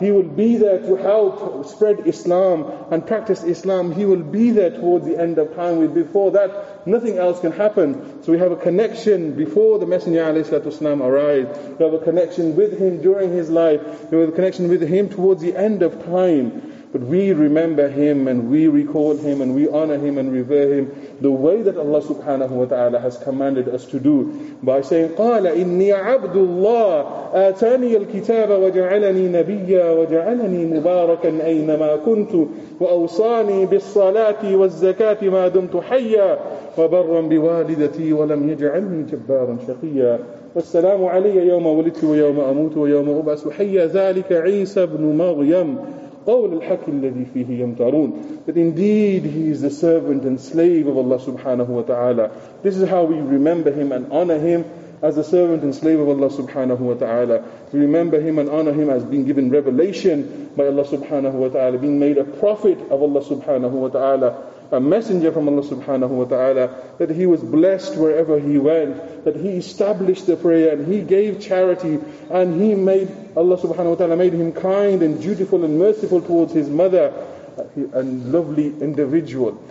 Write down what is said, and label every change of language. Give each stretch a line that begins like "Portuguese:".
English: He will be there to help spread Islam and practice Islam. He will be there towards the end of time. Before that, nothing else can happen. So we have a connection before the Messenger alayhi salatu wasalam arrived. We have a connection with him during his life. We have a connection with him towards the end of time. But we remember him and we recall him and we honor him and revere him the way that Allah subhanahu wa ta'ala has commanded us to do, by saying,
Arabic: قَالَ إِنِّي عَبْدُ اللَّهِ آتَانِيَ الْكِتَابَ وَجَعَلَنِي نَبِيًّا وَجَعَلَنِي مُبَارَكًا أَيْنَمَا كُنْتُ وَأَوْصَانِي بِالصَّلَاةِ وَالزَّكَاةِ مَا دُمْتُ حَيًّا وَبَرًّا بِوَالِدَتِي وَلَمْ يَجْعَلْنِي جَبَّارًا شَقِيًّا وَالسَّلَامُ عَلَيَّ يَوْمَ وُلِدْتُ وَيَوْمَ أَمُوتُ وَيَوْمَ أُبْعَثُ حَيًّا ذَلِكَ عِيسَى ابْنُ مَرْيَمَ قول الحق الذي فيه يمترون.
English: That indeed he is the servant and slave of Allah subhanahu wa ta'ala. This is how we remember him and honor him as a servant and slave of Allah subhanahu wa ta'ala. We remember him and honor him as being given revelation by Allah subhanahu wa ta'ala, being made a prophet of Allah subhanahu wa ta'ala, a messenger from Allah subhanahu wa ta'ala, that he was blessed wherever he went, that he established the prayer and he gave charity, and he made Allah subhanahu wa ta'ala made him kind and dutiful and merciful towards his mother, a lovely individual.